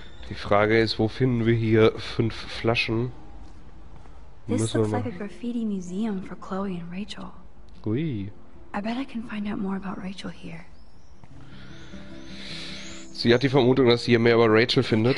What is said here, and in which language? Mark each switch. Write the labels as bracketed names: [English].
[German] Die Frage ist, wo finden wir hier 5 Flaschen? [English] This looks like a graffiti museum for Chloe and Rachel. Ui. I bet I can find out more about Rachel here. [German] Sie hat die Vermutung, dass sie hier mehr über Rachel findet.